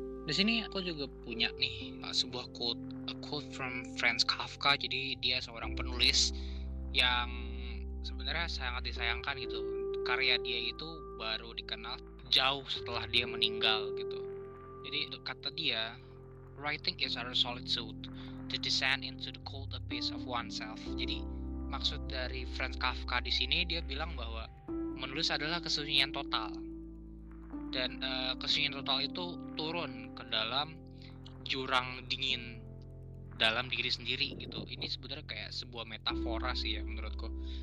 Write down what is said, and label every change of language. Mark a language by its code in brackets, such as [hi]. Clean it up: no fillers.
[id] Di sini aku juga punya nih sebuah quote, [en] a quote from Franz Kafka. [id] Jadi dia seorang penulis yang sebenarnya sangat disayangkan gitu, karya dia itu baru dikenal jauh setelah dia meninggal gitu. Jadi kata dia, [en] writing is our solitude, to descend into the cold abyss of oneself. [id] Jadi maksud dari Franz Kafka di sini, dia bilang bahwa menulis adalah kesunyian total. Dan kesunyian total itu turun ke dalam jurang dingin dalam diri sendiri gitu. Ini sebenarnya kayak sebuah metafora sih ya menurutku.